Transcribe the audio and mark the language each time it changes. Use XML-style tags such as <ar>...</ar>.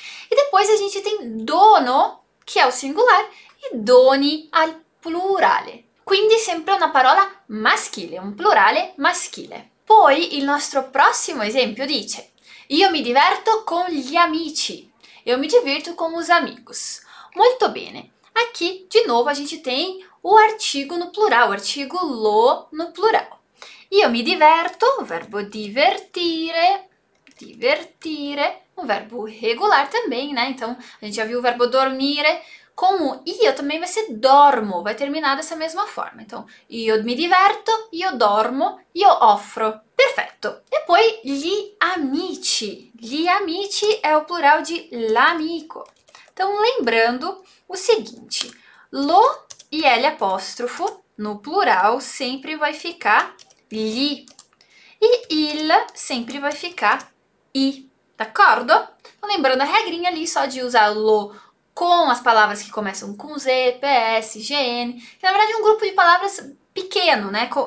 <pt>E depois a gente tem dono, que é o singular, e doni al plurale.</pt> <it>Quindi sempre una parola maschile, un plurale maschile. Poi il nostro prossimo esempio dice: Io mi diverto con gli amici.</it> <pt>Eu me divirto com os amigos.</pt> <it>Molto bene.</it> <pt>Aqui, de novo, a gente tem o artigo no plural, o artigo lo no plural. Io mi diverto, o verbo divertire, divertire, um verbo regular também, né? Então, a gente já viu o verbo dormire. Com o io também vai ser dormo, vai terminar dessa mesma forma. Então, io mi diverto, io dormo, io offro. Perfetto.</pt> <it>E poi gli amici. Gli amici è o plural di l'amico.</it> <pt>Então, lembrando o seguinte: lo e l' no plural sempre vai ficar gli. E il sempre vai ficar i. D'accordo? Lembrando a regrinha ali só de usar lo com as palavras que começam com Z, PS, GN, que na verdade é um grupo de palavras pequeno, né?</pt>